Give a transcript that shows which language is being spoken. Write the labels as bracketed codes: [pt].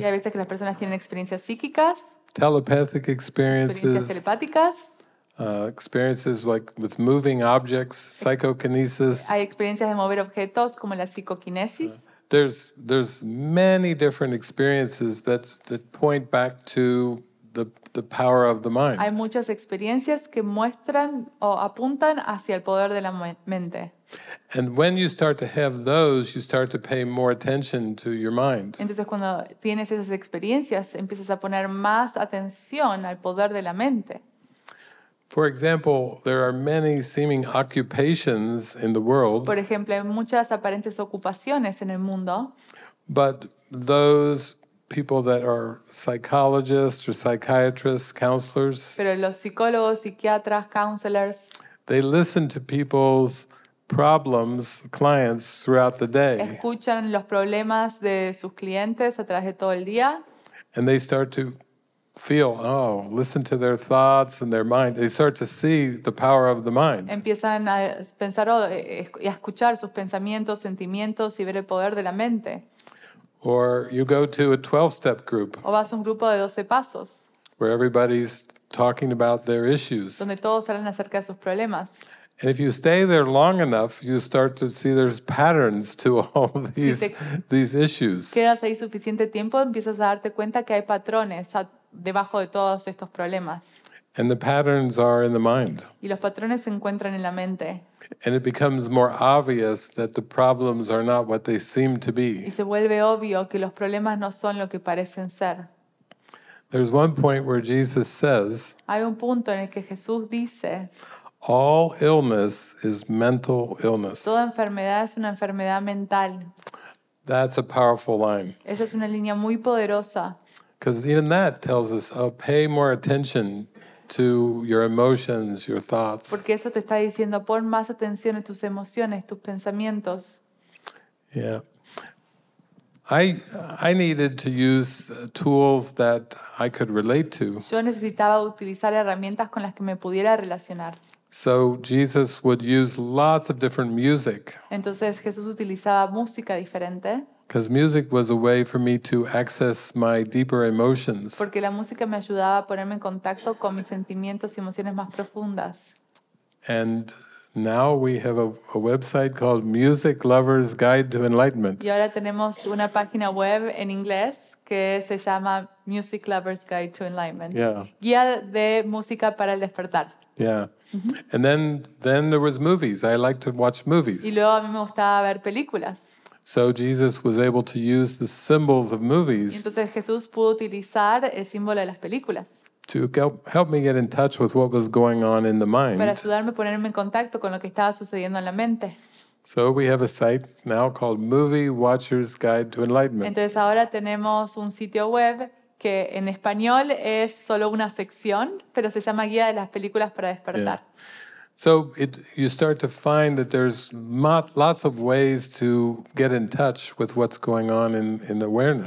[es] Y a veces que las personas tienen experiencias psíquicas. [en] Telepathic experiences. [es] Experiencias telepáticas. [en] Experiences like with moving objects, psychokinesis. [es] Hay experiencias de mover objetos como la psicoquinesis. [en] There's many different experiences that point back to the power of the mind. [es] Hay muchas experiencias que muestran o apuntan hacia el poder de la mente. [en] And when you start to have those, you start to pay more attention to your mind. [es] Entonces cuando tienes esas experiencias, empiezas a poner más atención al poder de la mente. [en] For example, there are many seeming occupations in the world. [es] Por ejemplo, hay muchas aparentes ocupaciones en el mundo. [en] But those people that are psychologists or psychiatrists, counselors. [es] Pero los psicólogos, psiquiatras, counselors. [en] They listen to people's problems, clients throughout the day. [es] Escuchan los problemas de sus clientes a través de todo el día. [en] And they start to feel, oh, listen to their thoughts and their mind. They start to see the power of the mind. [es] Empiezan a pensar y a escuchar sus pensamientos, sentimientos y ver el poder de la mente. [en] Or you go to a 12-step group. [es] O vas a un grupo de 12 pasos. [en] Where everybody's talking about their issues. [es] Donde todos hablan acerca de sus problemas. [en] And if you stay there long enough, you start to see there's patterns to all these issues. [es] Quedas ahí suficiente tiempo, empiezas a darte cuenta que hay patrones debajo de todos estos problemas. [en] And the patterns are in the mind. [es] Y los patrones se encuentran en la mente. [en] And it becomes more obvious that the problems are not what they seem to be. [es] Y se vuelve obvio que los problemas no son lo que parecen ser. [en] There's one point where Jesus says, [es] hay un punto en el que Jesús dice, [en] all illness is mental illness. [es] Toda enfermedad es una enfermedad mental. [en] That's a powerful line. [es] Esa es una línea muy poderosa. [en] Because even that tells us, oh, pay more attention to your emotions, your thoughts. [es] Porque eso te está diciendo, pon más atención a tus emociones, tus pensamientos. [en] Yeah. I needed to use tools that I could relate to. [es] Yo necesitaba utilizar herramientas con las que me pudiera relacionar. [en] So Jesus would use lots of different music. [es] Entonces Jesús utilizaba música diferente. [en] Because music was a way for me to access my deeper emotions. [es] Porque la música me ayudaba a ponerme en contacto con mis sentimientos y emociones más profundas. [en] And now we have a website called Music Lover's Guide to Enlightenment. [es] Y ahora tenemos una página web en inglés que se llama Music Lover's Guide to Enlightenment. [en] Yeah. [es] Guía de música para el despertar. [en] Yeah. Mm-hmm. And then there was movies. I like to watch movies. [es] Y luego a mí me gustaba ver películas. [en] So Jesus was able to use the symbols of movies. [es] Y entonces Jesús pudo utilizar el símbolo de las películas. [en] To help me get in touch with what was going on in the mind. [es] Para ayudarme a ponerme en contacto con lo que estaba sucediendo en la mente. [en] So we have a site now called Movie Watcher's Guide to Enlightenment. [es] Entonces ahora tenemos un sitio web que en español es solo una sección, pero se llama Guía de las Películas para Despertar. Yeah. [en] So it, you start to find that there's lots of ways to get in touch with what's going on in awareness.